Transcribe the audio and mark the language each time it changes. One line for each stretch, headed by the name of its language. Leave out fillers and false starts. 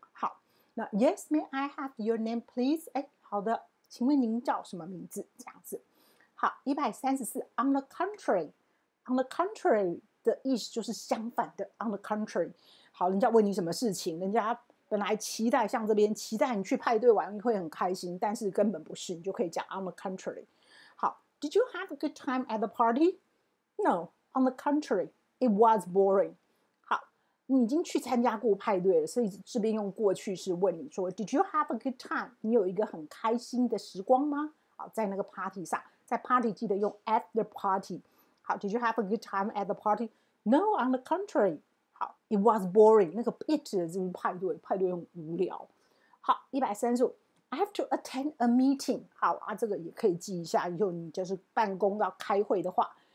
Chinese: 好，那
English: Yes, may I have your name, please?
Chinese: 哎，好的，请问您叫什么名字？这样子。好，134。
English: On the contrary, on the contrary
Chinese: 的意思就是相反的。
English: On the contrary,
Chinese: 好，人家问你什么事情，人家本来期待像这边期待你去派对玩会很开心，但是根本不是，你就可以讲 On the contrary。
English: 好 ，Did you have a good time at the party? No, on the contrary. It was boring.
Chinese: 好，你已经去参加过派对了，所以这边用过去式问你说
English: Did you have a good time?
Chinese: 你有一个很开心的时光吗？好，在那个 party 上，在 party 记得用
English: at the party. 好， Did you have a good time at the party? No, on the contrary. 好， It was boring.
Chinese: 那个 it 是派对，派对很无聊。
English: 好， 135. I have to attend a meeting.
Chinese: 好啊，这个也可以记一下，以后你就是办公要开会的话。